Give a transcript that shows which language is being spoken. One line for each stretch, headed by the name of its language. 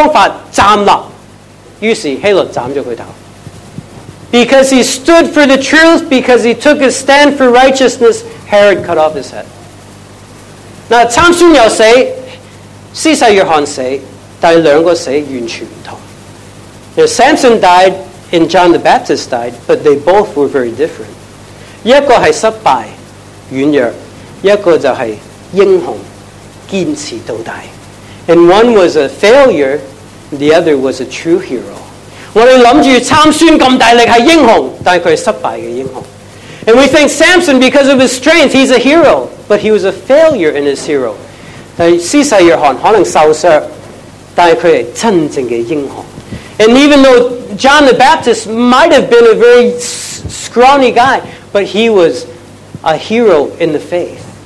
Chinese: 他为正义是站立,为神的方法站立。于是希律斩了他头。
English: Because he stood for the truth, because he took a stand for righteousness, Herod cut off his head.
Chinese: Now, 参孙又死, 施洗约翰死, 但两个死完全不同.
English: Now, Samson died and John the Baptist died, but they both were very different.
Chinese: 一个是失败, 软弱, 一个就是英雄, 坚持到底.
English: And one was a failure, the other was a true hero.
Chinese: 我们想着参孙这么大力是英雄,但他是失败的英雄.
English: And we think Samson, because of his strength, he's a hero, but he was a failure in his hero.
Chinese: 但施洗约翰可能受伤,但他是真正的英雄.
English: And even though John the Baptist might have been a very scrawny guy, but he was a hero in the faith.